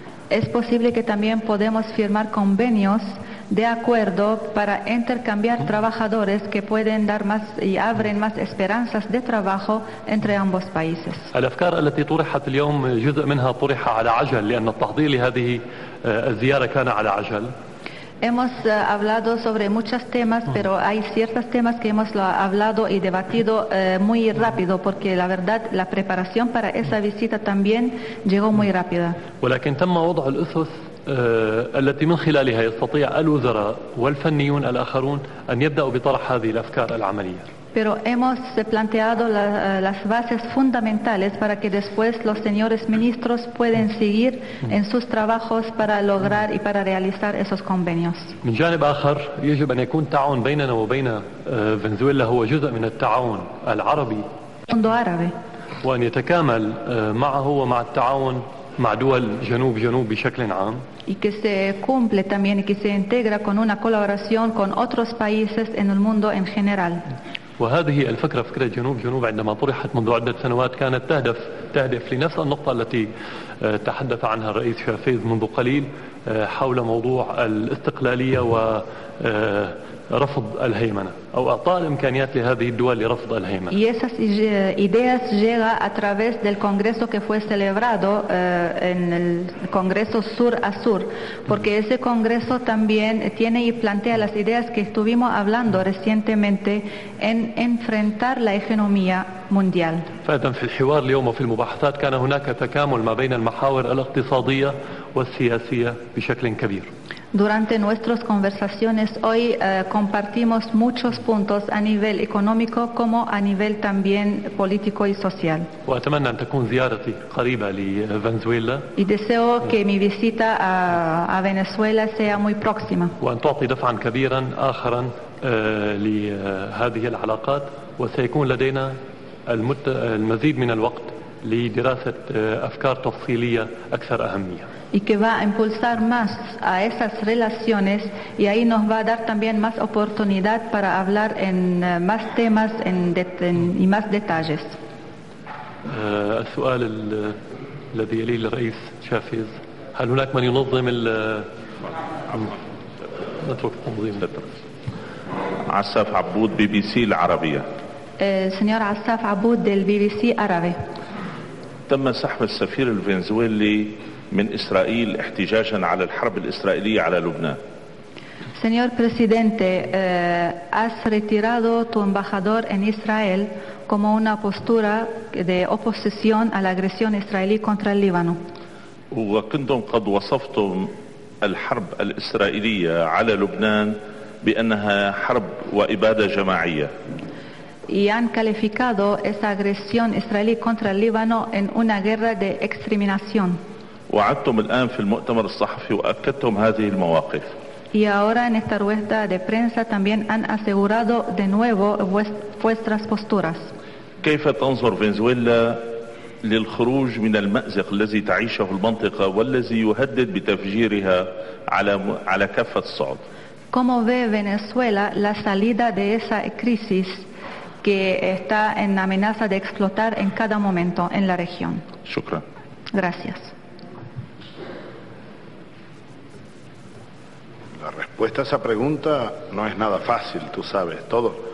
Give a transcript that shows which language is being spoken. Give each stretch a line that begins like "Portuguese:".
Spanish: Es posible que también podemos firmar convenios de acuerdo para intercambiar trabajadores que pueden dar más y abren más esperanzas de trabajo entre ambos países.
Arabic: الأفكار التي طرحت اليوم جزء منها طرح على عجل لأن التحضير لهذه الزيارة كان على عجل.
Spanish: Hemos hablado sobre muchos temas, pero hay ciertos temas que hemos hablado y debatido muy rápido, porque la verdad la preparación para esa visita también llegó muy rápida.
Arabic: ولكن تم وضع الأسس التي من خلالها يستطيع الوزراء والفنيون الآخرون أن يبدأوا بطرح هذه الأفكار العملية.
Spanish: Pero hemos planteado las bases fundamentales para que después los señores ministros puedan seguir en sus trabajos para lograr y para realizar esos convenios.
Arabic: من جانب آخر يجب أن يكون التعاون بيننا وبين فنزويلا هو جزء من التعاون العربي.
Spanish: Mundo árabe.
Arabic: وأن يتكامل معه ومع التعاون مع دول جنوب جنوب بشكل عام.
Spanish: Y que se cumple también y que se integra con una colaboración con otros países en el mundo en general.
Arabic: وهذه الفكرة فكرة جنوب جنوب عندما طرحت منذ عدة سنوات كانت تهدف لنفس النقطة التي تحدث عنها الرئيس شافيز منذ قليل حول موضوع الاستقلالية ورفض الهيمنة أو إعطاء الإمكانيات لهذه الدول لرفض الهيمنة.
Spanish: Y esas ideas llega a través del congreso que fue celebrado en el congreso Sur a Sur, porque ese congreso también tiene y plantea las ideas que estuvimos hablando recientemente en enfrentar la economía mundial.
Arabic: فإذن في الحوار اليوم وفي المباحثات كان هناك تكامل ما بين المحاور الاقتصادية والسياسية بشكل كبير.
Spanish: Durante nuestras conversaciones hoy compartimos muchos puntos a nivel económico como a nivel también político y social.
Arabic: وأتمنى أن تكون زيارتي قريبة لفنزويلا.
Spanish: Y deseo que mi visita a Venezuela sea muy próxima.
Arabic: وأن تعطي دفعا كبيرا آخرا لهذه العلاقات وسيكون لدينا المزيد من الوقت لدراسة أفكار تفصيلية أكثر أهمية.
Spanish: Y que va a impulsar más a esas relaciones y ahí nos va a dar también más oportunidad para hablar en más temas y más detalles.
Arabic: السؤال الذي يلي للرئيس شافيز هل هناك من ينظم ال نترك تنظيم عساف عبود بي بي سي العربية. سنيور عساف عبود
Spanish: del
Arabic: BBC عربي. تم سحب السفير الفنزويلي من إسرائيل احتجاجا على الحرب الإسرائيلية على لبنان.
Spanish: Señor presidente, has retirado tu embajador en Israel como una postura de oposición a la agresión israelí contra el Líbano.
Arabic: وكنتم قد وصفتم الحرب الإسرائيلية على لبنان بأنها حرب وإبادة جماعية.
Spanish: Y han calificado esa agresión israelí contra el Líbano en una guerra de exterminación.
Arabic: وعدتم الآن في المؤتمر الصحفي وأكدتم هذه المواقف.
Spanish: Y ahora en esta rueda de prensa también han asegurado de nuevo vuestras posturas.
Arabic: كيف تنظر فنزويلا للخروج من المأزق الذي تعيشه المنطقة والذي يهدد بتفجيرها على كافة الصعد؟
Spanish: ¿Cómo ve Venezuela la salida de esa crisis que está en amenaza de explotar en cada momento en la región?
Arabic: شكرا.
Spanish: Gracias. La respuesta a esa pregunta no es nada fácil, tú sabes, todos